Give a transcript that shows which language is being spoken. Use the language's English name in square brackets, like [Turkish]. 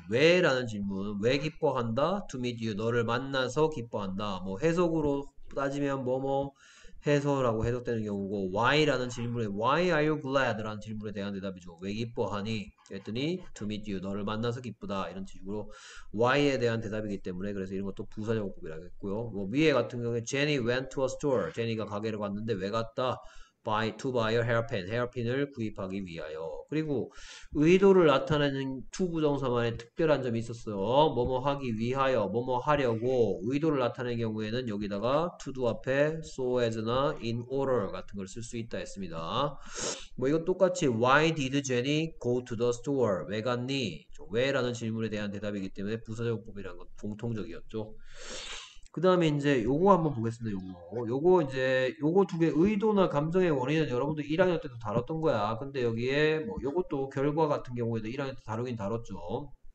[Korean] 왜라는 질문. 왜 기뻐한다? [English] to meet you. [Korean] 너를 만나서 기뻐한다. 뭐 해석으로 따지면 뭐뭐 해서라고 해석되는 경우고, why라는 질문에, [English] why are you glad [Korean] 라는 질문에 대한 대답이죠. 왜 기뻐하니? 그랬더니 [English] to meet you, [Korean] 너를 만나서 기쁘다 이런 식으로 why에 대한 대답이기 때문에, 그래서 이런 것도 부사정법이라고 했고요. 뭐 위에 같은 경우에 [English] Jenny went to a store. [Korean] 제니가 가게를 갔는데 왜 갔다? [English] To buy a hairpin. [Korean] 헤어핀을 구입하기 위하여. 그리고 의도를 나타내는 to 부정사만의 특별한 점이 있었어요. 뭐뭐 하기 위하여, 뭐뭐 하려고 의도를 나타내는 경우에는 여기다가 to do 앞에 so as나 in order 같은 걸쓸수 있다 했습니다. 뭐 이거 똑같이 [English] why did Jenny go to the store? [Korean] 왜 갔니? 왜라는 질문에 대한 대답이기 때문에 부사정법이라는 건 공통적이었죠. 그 다음에 이제 요거 한번 보겠습니다. 요거 두개 의도나 감정의 원인은 여러분들 1학년 때도 다뤘던 거야. 근데 여기에 뭐 요것도 결과 같은 경우에도 1학년 때 다루긴 다뤘죠.